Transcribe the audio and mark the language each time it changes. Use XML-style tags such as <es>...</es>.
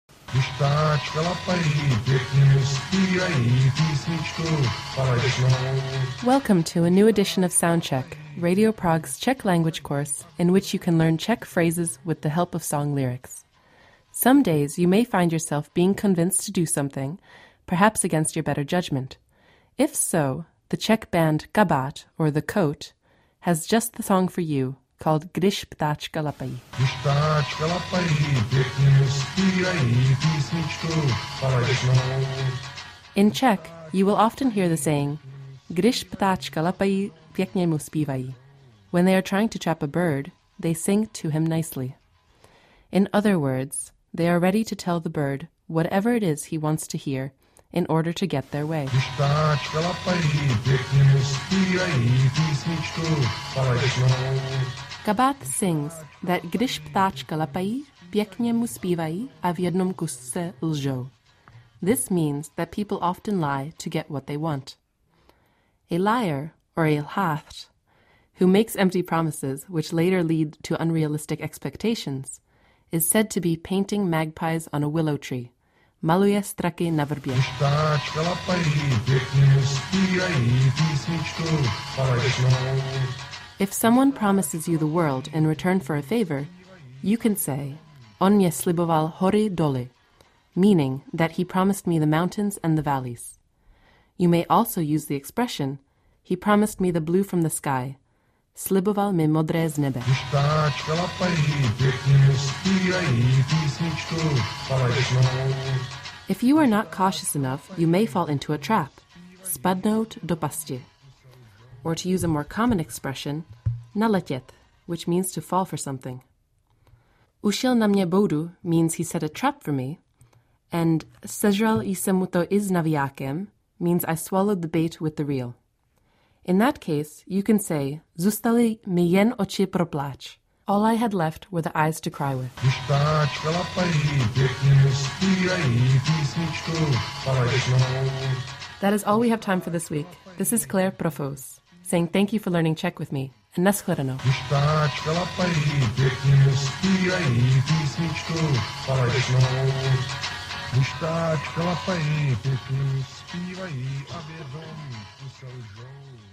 <en>Start pela parede, respira e desistiu, paixão. Welcome to a new edition of Soundcheck, Radio Prague's Czech language course, in which you can learn Czech phrases with the help of song lyrics. Some days you may find yourself being convinced to do something, perhaps against your better judgment. If so, the Czech band Kabát, or The Coat, has just the song for you, called</en> <cs>Když ptáčka lapají. Když ptáčka lapají, pěkně zpívají písničku falešnou.</cs> <en>In Czech, you will often hear the saying,</en> <cs>Když ptáčka lapají, pěkně mu zpívají.</cs> <en>When they are trying to trap a bird, they sing to him nicely. In other words, they are ready to tell the bird whatever it is he wants to hear in order to get their way.</en> <cs>Když ptáčka lapají, pěkně mu zpívají písničku falešnou.</cs> <en>Kabát sings that</en> <cs>když ptáčka lapají, pěkně mu zpívají a v jednom kuse lžou.</cs> <en>This means that people often lie to get what they want. A liar, or a lhát, who makes empty promises which later lead to unrealistic expectations, is said to be painting magpies on a willow tree.</en> <cs>Maluje straky na vrbě. Když ptáčka lapají, pěkně mu zpívají písničku falešnou.</cs> <en>If someone promises you the world in return for a favor, you can say,</en> <cs>On mě sliboval hory doly,</cs> <en>meaning that he promised me the mountains and the valleys. You may also use the expression, He promised me the blue from the sky,</en> <cs>sliboval mi modré z nebe. Když ptáčka lapají, pěkně mu zpívají písničku falešnou.</cs> <en>If you are not cautious enough, you may fall into a trap,</en> <cs>spadnout do pasti.</cs> <en>Or to use a more common expression, naletět, which means to fall for something.</en> <cs>Ušel na mě boudu</cs> <en>means he set a trap for me, and</en> <cs>sežral jsem mu to i s navijákem</cs> <en>means I swallowed the bait with the reel. In that case, you can say,</en> <cs>zůstaly mi jen oči pro pláč.</cs> <en>All I had left were the eyes to cry with.</en> <cs>Když ptáčka lapají, pěkně mu zpívají písničku falešnou.</cs> <en>That is all we have time for this week. This is Claire Profos, saying thank you for learning Czech with me. And naschledanou.</en> <cs>Když ptáčka lapají, pěkně mu zpívají písničku falešnou. Když ptáčka lapají, pěkně mu zpívají a vědom, kusel žou.</cs>